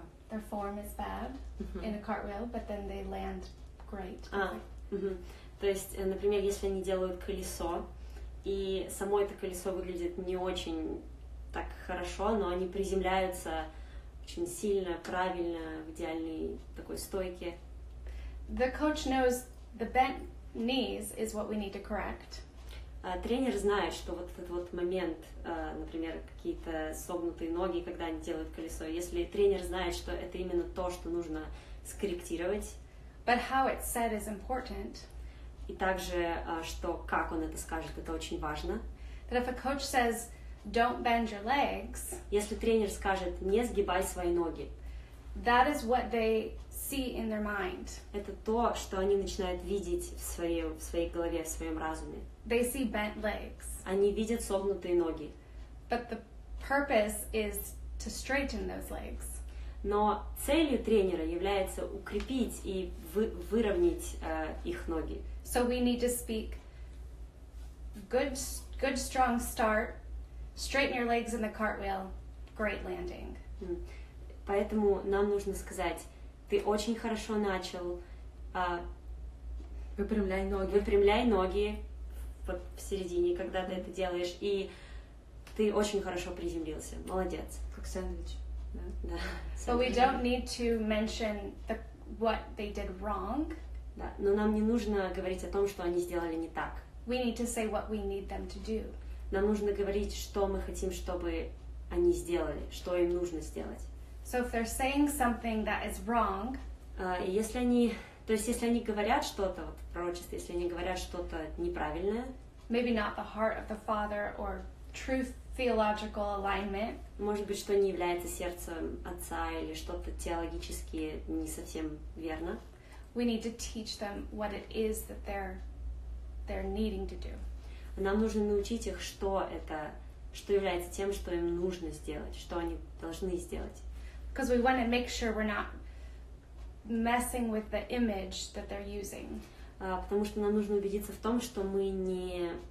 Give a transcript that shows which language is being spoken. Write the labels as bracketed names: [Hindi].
[English] Their form is bad in a cartwheel, but then they land great. [Russian] То есть, например, если они делают колесо, и само это колесо выглядит не очень так хорошо, но они приземляются очень сильно, правильно, в идеальной такой стойке. [English] The coach knows the bent knees is what we need to correct. [Russian] Тренер знает, что вот этот вот момент, например, какие-то согнутые ноги, когда они делают колесо, если тренер знает, что это именно то, что нужно скорректировать. [English] But how it's said is important. [Russian] И также, что как он это скажет, это очень важно. [English] That if a coach says, don't bend your legs, [Russian] если тренер скажет, не сгибай свои ноги, [English] that is what they see in their mind. [Russian] Это то, что они начинают видеть в своей голове, в своем разуме. [English] They see bent legs. [Russian] Они видят согнутые ноги. [English] But the purpose is to straighten those legs. [Russian] Но целью тренера является укрепить и выровнять их ноги. [English] So we need to speak good strong start, straighten your legs in the cartwheel, great landing. [Russian] Поэтому нам нужно сказать, ты очень хорошо начал, выпрямляй ноги, выпрямляй ноги, вот в середине, когда ты это делаешь, и ты очень хорошо приземлился. Молодец. Как сэндвич. Да. [English] So we don't need to mention the, what they did wrong. [Russian] Да, но нам не нужно говорить о том, что они сделали не так. [English] We need to say what we need them to do. [Russian] Нам нужно говорить, что мы хотим, чтобы они сделали, что им нужно сделать. [English] So if they're saying something that is wrong, [Russian] если они, то есть если они говорят что-то, вот пророчество, если они говорят что-то неправильное, [English] maybe not the heart of the Father or truth theological alignment, [Russian] может быть, что не является сердцем Отца или что-то теологически не совсем верно, [English] we need to teach them what it is that they're needing to do. [Russian] Нам нужно научить их, что это, что является тем, что им нужно сделать, что они должны сделать. [English] Because we want to make sure we're not messing with the image that they're using. [Russian] Потому что нам нужно убедиться в том, что мы не...